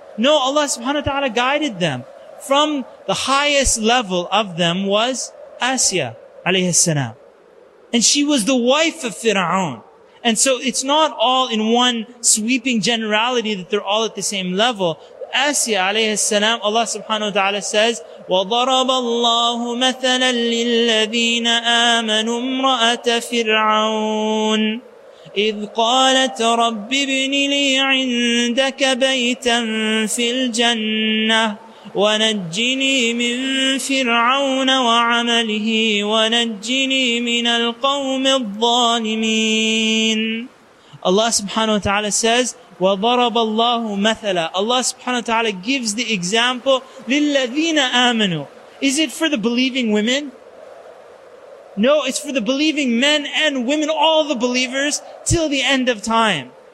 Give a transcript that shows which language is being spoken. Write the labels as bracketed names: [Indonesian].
[English] No, Allah subhanahu wa ta'ala guided them. From the highest level of them was Asiya alayhi salam. And she was the wife of Fir'aun. And so it's not all in one sweeping generality that they're all at the same level. Asiya alayhi salam, Allah subhanahu wa ta'ala says, [Arabic] وَضَرَبَ اللَّهُ مَثَلًا لِلَّذِينَ آمَنُوا امْرَأَةَ فِرْعَوْنَ إِذْ قَالَتْ رَبِّ ابْنِ لِي عِندَكَ بَيْتًا فِي الْجَنَّةِ وَنَجِّنِي مِنْ فِرْعَوْنَ وَعَمَلِهِ وَنَجِّنِي مِنَ الْقَوْمِ الظَّالِمِينَ. [English] Allah subhanahu wa ta'ala says, [Arabic] وَضَرَبَ اللَّهُ مَثَلًا. [English] Allah subhanahu wa ta'ala gives the example, [Arabic] لِلَّذِينَ آمَنُوا. [English] Is it for the believing women? No, it's for the believing men and women, all the believers, till the end of time.